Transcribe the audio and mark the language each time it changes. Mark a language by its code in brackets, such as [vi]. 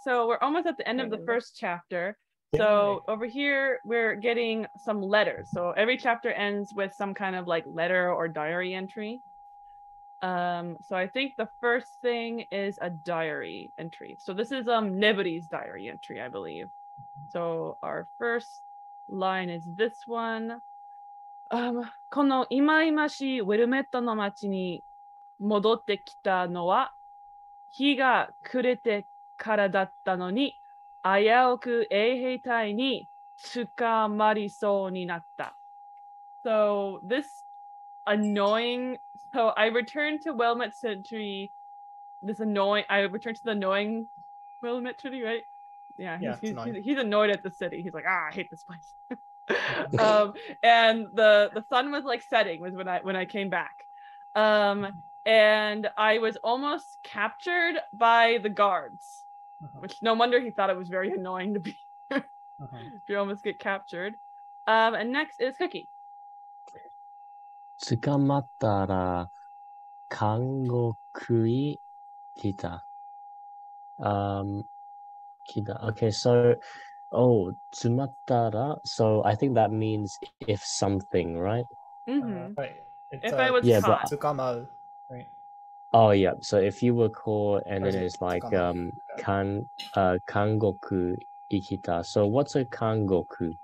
[en] So, we're almost at the end of the first chapter. So, over here, we're getting some letters. So, every chapter ends with some kind of, like, letter or diary entry. So I think the first thing is a diary entry. So this is Nebody's diary entry, I believe. So our first line is this one. [ja] この今今しいウェルメットの町に戻ってきたのは日が暮れてからだったのに危うく衛兵隊に捕まりそうになった。 [en] So this annoying... So I returned to Wilmot City, right? Yeah, he's annoyed at the city. He's like, I hate this place. and the sun was like setting was when I came back. And I was almost captured by the guards, which no wonder he thought it was very annoying to be here. If you almost get captured. And next is Cookie. [ja] 捕まったら監獄に来た。来た。 [en] Okay, so, つまったら、so I think that means if something, right? Right. If I was caught. But, right. Oh, yeah. So if you were caught and then it's like, [ja] 監獄に来た。 [en] So what's a 監獄?